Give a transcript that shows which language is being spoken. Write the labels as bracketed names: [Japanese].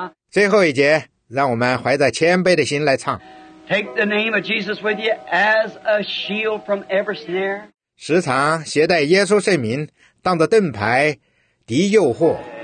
[Chinese] 最后一节，让我们怀着谦卑的心来唱。 [English] Take the name of Jesus with you as a shield from every snare. [Chinese] 时常携带耶稣圣名，当着盾牌，敌诱惑。